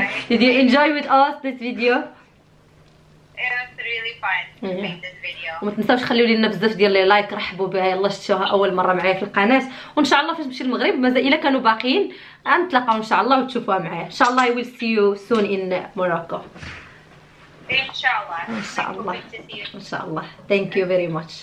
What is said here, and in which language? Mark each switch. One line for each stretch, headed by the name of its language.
English: Did you enjoy with us this video? It was really fun.
Arabic: وما تنساوش خليوا لنا بزاف ديال لي لايك، رحبوا بها، يلا شتوها اول مره معايا في القناه، وان شاء الله فاش نمشي المغرب مازال الا كانوا باقيين نتلاقاو ان شاء الله وتشوفوها معايا. ان شاء الله
English: I will see you soon in Morocco. Inshallah. Inshallah. Thank you very much.